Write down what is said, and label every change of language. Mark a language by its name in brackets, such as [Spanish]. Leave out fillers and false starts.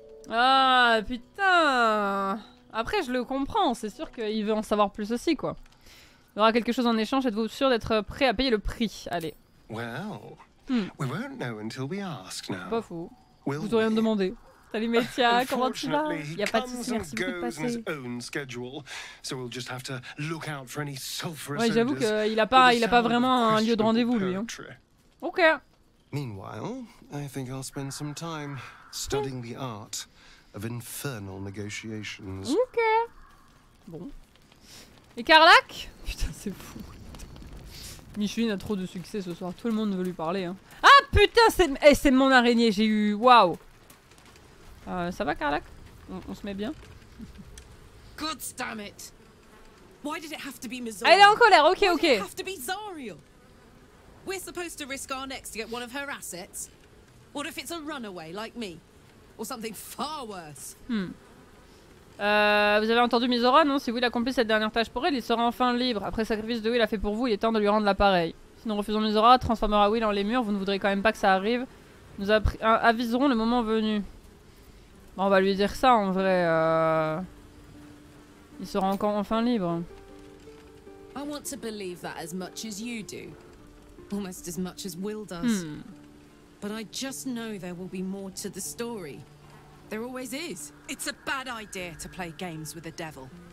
[French] Ah putain! Après, je le comprends, c'est sûr qu'il veut en savoir plus aussi, quoi. Il y aura quelque chose en échange, êtes-vous sûr d'être prêt à payer le prix? Allez. [English] Well, we won't know until we ask now. [French] Pas fou. Will vous auriez demandé. Salut Métia, comment tu vas? Il n'y a pas de soucis, merci beaucoup de passer. [English] His own schedule, so we'll just have to look out for any sulfurous odors. [French] Ouais, j'avoue qu'il n'a pas, il a pas vraiment un lieu de rendez-vous, lui. Hein. Ok. [English] Meanwhile, I think I'll spend some time studying the art of infernal negotiations. [French] Ok. Bon. Écarlate? Putain, c'est fou. Micheline a trop de succès ce soir. Tout le monde veut lui parler. Hein. Ah putain, c'est... Hey, c'est mon araignée. J'ai eu... Waouh. Ça va, Carlac? On se met bien. [English] God damn it. Why did it have to be Mizoriel? [French] Elle est en colère. Ok, ok. [English] Why did it have to be Zoriel? We're supposed to risk our necks to get one of her assets. What if it's a runaway like me? Or something far worse. [French] Vous avez entendu Mizora, non? Si Will accomplit cette dernière tâche pour elle, il sera enfin libre. Après sacrifice de Will a fait pour vous, il est temps de lui rendre l'appareil. Si nous refusons Mizora, transformera Will en lémur. Vous ne voudrez quand même pas que ça arrive. Nous aviserons le moment venu. Bon, on va lui dire ça en vrai. Il sera encore enfin libre. [English] I want to believe that as much as you do. Almost as much as Will does. But I just know there will be more to the story. There always is. It's a bad idea to play games with the devil.